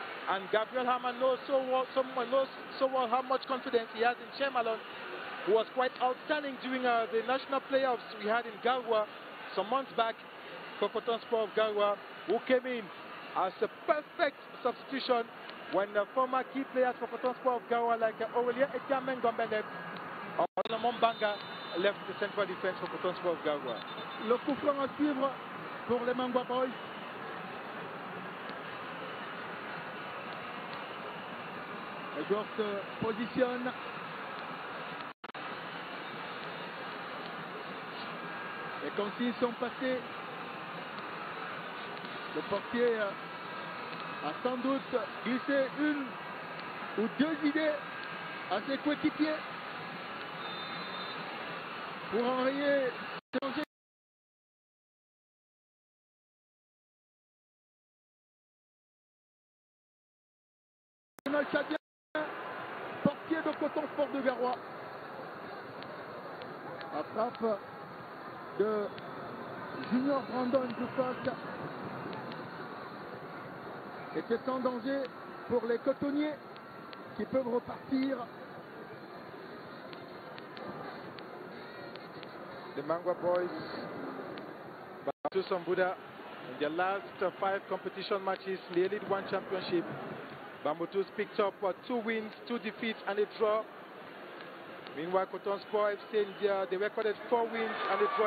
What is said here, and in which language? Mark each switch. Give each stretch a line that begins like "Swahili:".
English: And Gabriel Hammer knows so well how much confidence he has in Che Malon, who was quite outstanding during the national playoffs we had in Garoua some months back for Coton Sport of Garoua, who came in as a perfect substitution when the former key players for Coton Sport of Gawa like Aurelia Etiamen Gombele or Solomon Banga left the central defense for Coton Sport of Gawa.
French: Le coup franc à suivre pour les Mangwa Boys. Les joueurs se positionnent. Les consignes sont passées. Le portier a sans doute glissé une ou deux idées à ses coéquipiers pour enrayer ce danger. Canal Chadien, portier de Coton Sport de Garoua, attrape de Junior Brandon Dufas. C'était sans danger pour les cotonniers qui peuvent repartir.
English: The Mangwa Boys, Bamboutos and Buddha, in their last five competition matches, the Elite One Championship, Bamboutos picked up two wins, two defeats and a draw. Meanwhile, Coton Sport FC India, they recorded four wins and a draw.